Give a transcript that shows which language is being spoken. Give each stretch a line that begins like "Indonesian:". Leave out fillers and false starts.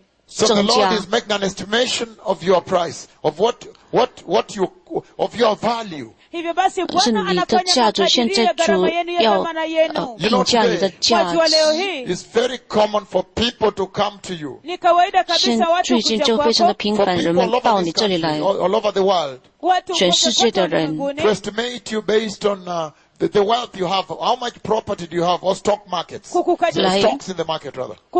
English: So the Lord is making an estimation of your price, of your value.
Chinese: 是你的价值，现在主要评价你的价值。
English: It's very common for people to come to you.
Chinese: 现在最近就非常的频繁，人们到你这里来，
English: all over the world,
Chinese: 全世界的人
English: to estimate you based on the wealth you have, how much property do you have, or stock markets, stocks in the market rather.